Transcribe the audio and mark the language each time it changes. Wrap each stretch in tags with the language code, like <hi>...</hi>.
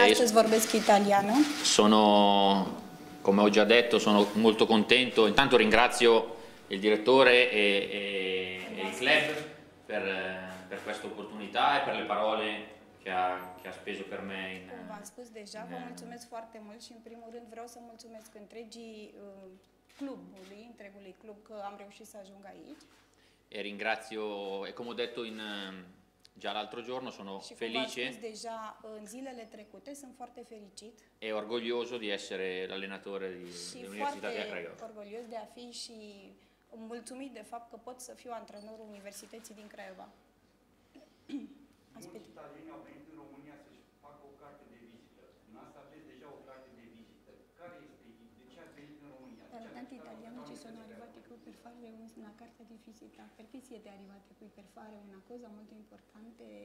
<it>Sono, come ho già detto, sono molto contento. Intanto ringrazio il direttore e il club per questa opportunità e per le parole che ha speso per me.</it> <ro>Come v-am spus deja, vă mulțumesc foarte mult și în primul rând vreau să mulțumesc întregului club că am reușit să ajung aici.</ro> <it>E ringrazio, e come ho detto già l'altro giorno, sono felice.</it> <ro>Deja în zilele trecute sunt foarte fericit.</ro> <it>E orgoglioso di essere l'allenatore dell'Università di Craiova. Sono orgoglioso</it> <ro>di fi și mulțumit de fapt că pot să fiu antrenorul Universității din Craiova. Mulți italieni au venit în România să-și facă o carte de vizită. În asta aveți deja o carte de vizită. Care este? De ce ați venit în România?</ro> <it>Dar tanti italiani ci sono arrivati qui per fare una carta di visita. Perché siete arrivati qui per fare una cosa molto importante?</it>